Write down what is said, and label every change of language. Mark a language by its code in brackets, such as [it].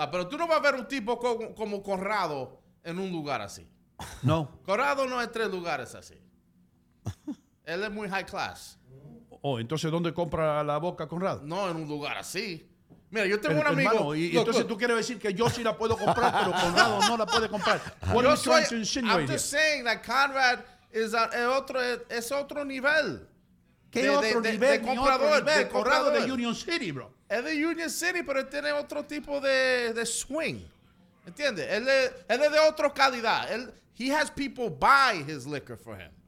[es] No, pero tú no vas a ver un tipo como Conrado en un lugar así. No. Conrado no es tres lugares así. Él es muy high class. Oh, entonces, ¿dónde compra la boca Conrado? No, en un lugar así. Mira, yo tengo un amigo. Hermano, y entonces tú quieres decir que yo sí la puedo comprar, pero Conrado no la puede comprar. Bueno, yo estoy insinuando. [en] I'm just saying that Conrad [es] es otro nivel. ¿Qué otro nivel? De comprador. Otro nivel. De Conrado de Union City, bro. Es de Union City, pero él tiene otro tipo de swing. ¿Entiendes? Él es de otra calidad. [en] He has people buy his liquor for him.